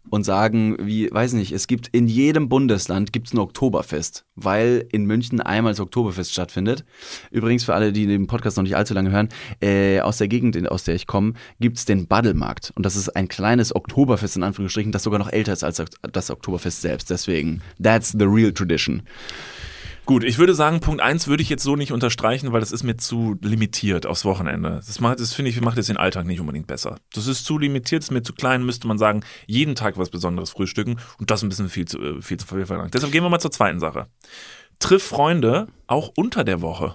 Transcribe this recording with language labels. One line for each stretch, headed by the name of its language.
German: Und sagen, wie, weiß nicht, es gibt in jedem Bundesland gibt es ein Oktoberfest, weil in München einmal das Oktoberfest stattfindet. Übrigens für alle, die den Podcast noch nicht allzu lange hören, aus der Gegend, aus der ich komme, gibt es den Baddelmarkt. Und das ist ein kleines Oktoberfest, in Anführungsstrichen, das sogar noch älter ist als das Oktoberfest selbst. Deswegen,
English: that's the real tradition.
German: Gut, ich würde sagen, Punkt 1 würde ich jetzt so nicht unterstreichen, weil das ist mir zu limitiert aufs Wochenende. Das macht jetzt den Alltag nicht unbedingt besser. Das ist zu limitiert, ist mir zu klein, müsste man sagen, jeden Tag was Besonderes frühstücken und das ein bisschen viel zu viel verlangt. Deshalb gehen wir mal zur zweiten Sache. Triff Freunde auch unter der Woche.